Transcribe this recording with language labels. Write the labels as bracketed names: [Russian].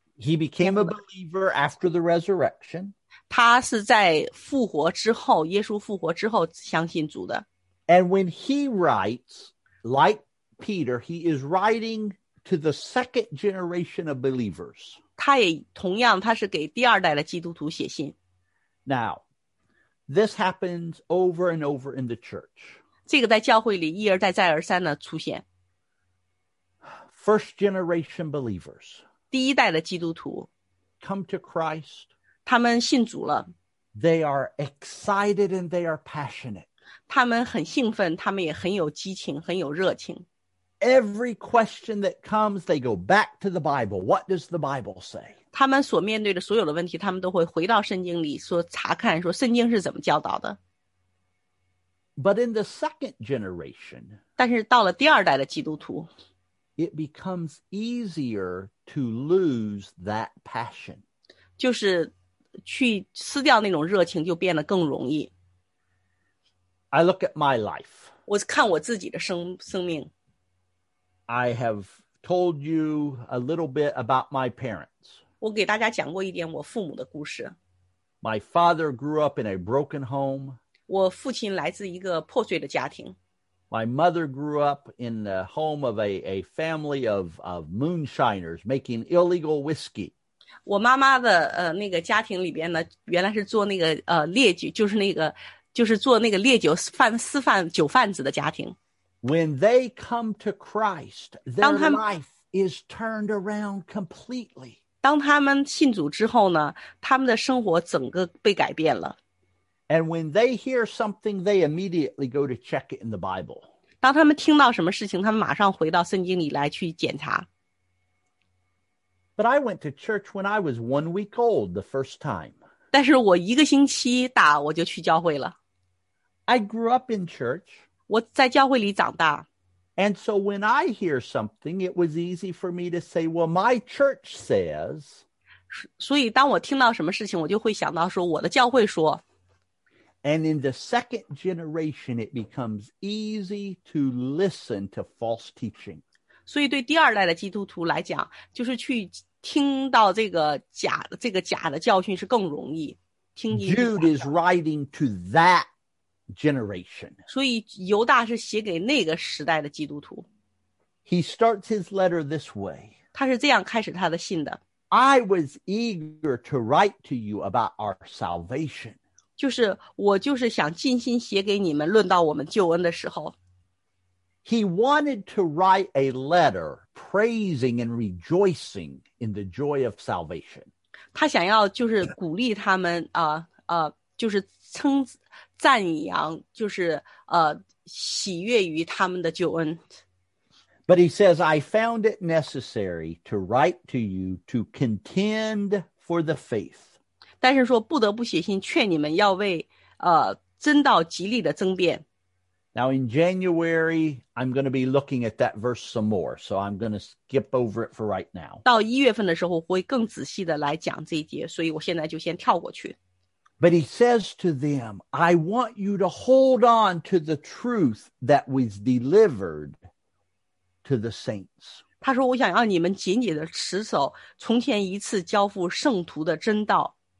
[English] He became a believer after the resurrection. [Chinese] 他是在复活之后，耶稣复活之后相信主的。 [English] And when he writes, like Peter, he is writing to the second generation of believers. [Chinese] 他也同样，他是给第二代的基督徒写信。 [English] Now, this happens over and over in the church. [Chinese] 这个在教会里一而再再而三的出现。 [English] First generation believers. [Chinese] 第一代的基督徒。 [English] Come to Christ. [Chinese] 他们信主了。 [English] They are excited and they are passionate. [Chinese] 他们很兴奋，他们也很有激情，很有热情。 [English] Every question that comes, they go back to the Bible. What does the Bible say? [Chinese] 他们所面对的所有的问题，他们都会回到圣经里说查看，说圣经是怎么教导的。 [English] But in the second generation, [Chinese] 但是到了第二代的基督徒， [English] it becomes easier to lose that passion. [Chinese] 就是去撕掉那种热情就变得更容易。 [English] I look at my life. [Chinese] 我看我自己的生命。 [English] I have told you a little bit about my parents. [Chinese] 我给大家讲过一点我父母的故事。 [English] My father grew up in a broken home. [Chinese] 我父亲来自一个破碎的家庭。 [English] My mother grew up in the home of a family of moonshiners making illegal whiskey. [Chinese] 我妈妈的那个家庭里边呢，原来是做那个烈酒，就是做那个烈酒贩私贩酒贩子的家庭。 [English] When they come to Christ, their life is turned around completely. [Chinese] 当他们信主之后呢，他们的生活整个被改变了。 [English] And when they hear something, they immediately go to check it in the Bible. [Chinese] 当他们听到什么事情，他们马上回到圣经里来去检查。 [English] But I went to church when I was 1 week old the first time. [Chinese] 但是我一个星期大我就去教会了。 [English] I grew up in church. [Chinese] 我在教会里长大。 [English] And so when I hear something, it was easy for me to say, well, my church says. [Chinese] 所以当我听到什么事情，我就会想到说我的教会说。 [English] And in the second generation, it becomes easy to listen to false teaching. [Chinese] 所以对第二代的基督徒来讲，就是去听到这个假的教训是更容易听进去。 [English] Jude is writing to that. Generation. [Chinese] 所以犹大是写给那个时代的基督徒。 [English] He starts his letter this way. [Chinese] 他是这样开始他的信的。 [English] I was eager to write to you about our salvation. [Chinese] 就是我就是想尽心写给你们论到我们救恩的时候。 [English] He wanted to write a letter praising and rejoicing in the joy of salvation. [Chinese] 他想要就是鼓励他们啊啊、就是称赞扬就是喜悦于他们的救恩。 [English] But he says, I found it necessary to write to you to contend for the faith. [Chinese] 但是说不得不写信劝你们要为真道极力的争辩。 [English] Now in January, I'm going to be looking at that verse some more, so I'm going to skip over it for right now. [Chinese] 到一月份的时候会更仔细的来讲这一节，所以我现在就先跳过去。 [English] But he says to them, I want you to hold on to the truth that was delivered to the saints. [Chinese] 他说我想要你们紧紧的持守从前一次交付圣徒的真道。